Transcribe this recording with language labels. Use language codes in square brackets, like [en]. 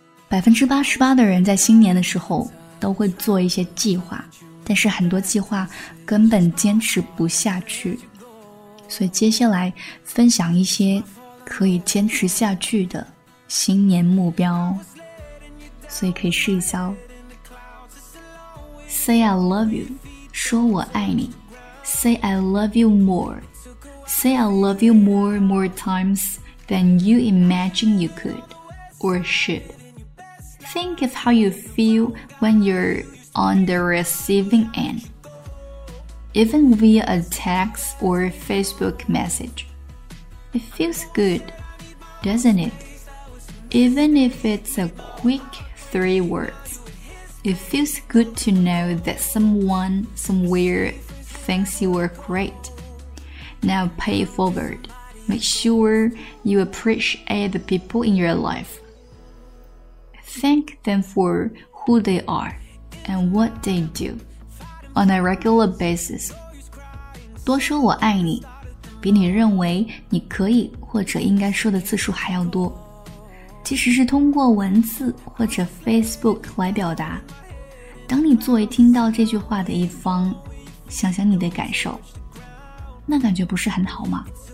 [zh] 88%的人在新年的时候都会做一些计划，但是很多计划根本坚持不下去，所以接下来分享一些可以坚持下去的新年目标，所以可以试一下哦。 [en] Say I love you， [zh] 说我爱你。 [en] Say I love you more， Say I love you more times than you imagine you could or should。 Think of how you feel when you're on the receiving end, even via a text or Facebook message. It feels good, doesn't it? Even if it's a quick 3 words, it feels good to know that someone somewhere thinks you are great. Now pay it forward. Make sure you appreciate the people in your life. Thank them for who they are and what they do on a regular basis. [zh] 多说我爱你，比你认为你可以或者应该说的次数还要多。即使是通过文字或者 Facebook 来表达，当你作为听到这句话的一方，想想你的感受，那感觉不是很好吗？